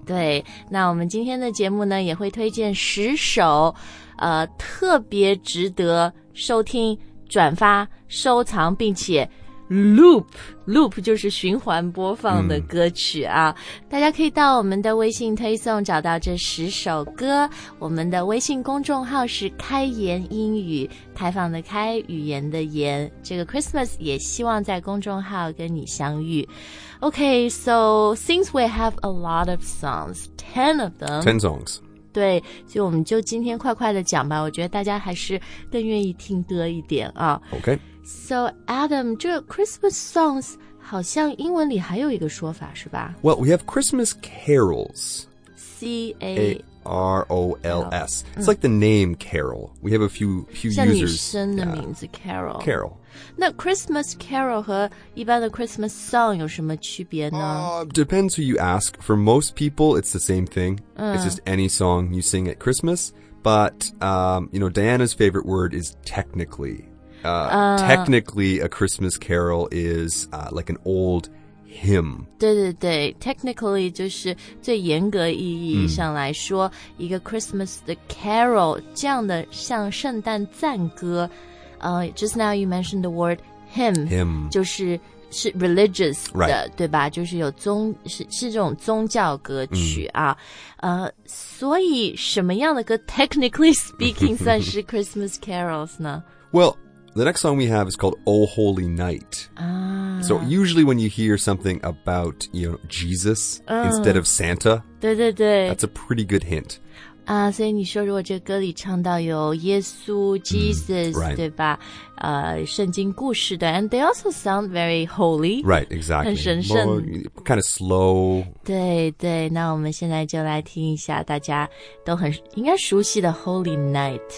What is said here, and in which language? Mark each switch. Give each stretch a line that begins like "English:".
Chinese: 对，那我们今天的节目呢，也会推荐十首特别值得收听、转发、收藏，并且 loop 就是循环播放的歌曲啊。大家可以到我们的微信推送找到这十首歌。我们的微信公众号是开言英语，开放的开，语言的言。这个 Christmas 也希望在公众号跟你相遇。
English: Okay, so since we have a lot of songs, 10 of them. 10 songs.
Chinese: 对，所以我们就今天快快的讲吧，我觉得大家还是更愿意听歌一点啊。
English: Okay.
Chinese: So Adam, 这 Christmas songs 好像英文里还有一个说法是吧？
English: Well, we have Christmas carols. C-A-R-O-L-S. It's like the name carol. We have a few users.
Chinese: 像女生的名字 carol.
English: Carol.
Chinese: 那 Christmas carol 和一般的 Christmas song 有什么区别呢？
English: Depends who you ask. For most people, it's the same thing. It's just any song you sing at Christmas. But, you know, Diana's favorite word is technically. Technically, a Christmas carol is like an old hymn.
Chinese: 对 technically 就是最严格意义上来说，一个 Christmas 的 carol 这样的像圣诞赞歌。
English: Just now you mentioned the word hymn.
Chinese: 就是 religious 的、
English: right.
Chinese: 对吧，就是有宗 是这种宗教歌曲啊。所以什么样的歌
English: technically speaking
Chinese: 算是 Christmas carols 呢？
English: Well, the next song we have is called O Holy Night. So usually when you hear something about, you know, Jesus instead of Santa,
Chinese: 对
English: that's a pretty good hint.
Chinese: 所以你说如果这歌里唱到有耶稣 Jesus,、
English: right.
Chinese: 对吧圣经故事的
English: and they also sound very holy. Right, exactly.
Chinese: 很神圣
English: More, kind of slow.
Chinese: 对那我们现在就来听一下大家都很应该熟悉的 Holy Night.、